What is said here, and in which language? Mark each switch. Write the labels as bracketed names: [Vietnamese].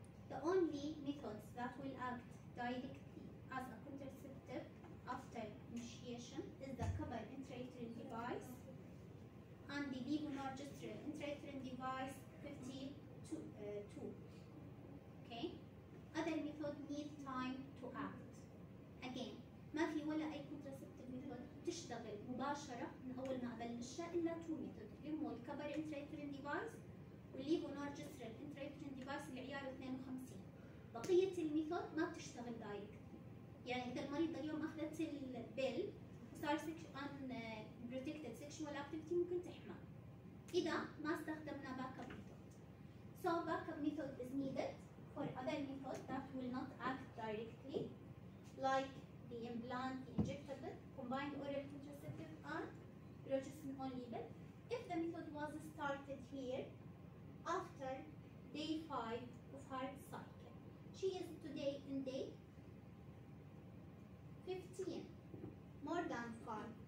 [English] The only methods that will act directly as a contraceptive after initiation is the Kabel intrauterine device and the levonorgestrel intrauterine device 52. Okay? Other methods need time to act. [Arabic] Again, ما في ولا أي contraceptive method تشتغل مباشرة من أول ما أبلش إلا 2 methods اللي هم الكبر انتريترين ديفايس والليفونارجسترين انتريترين ديفايس العيار 52. بقية الميثود ما بتشتغل دايركت, يعني إذا المريضة اليوم أخذت البيل وصار [English] unprotected sexual activity [Arabic] ممكن تحمل إذا ما استخدمنا backup method. [English] So backup method is needed for other methods that will not act directly, like the implant, the injectable, combined oral contraceptive, and progesterone only pill. If the method was started here after day 5 of her cycle, she is today in day 15, more than 5.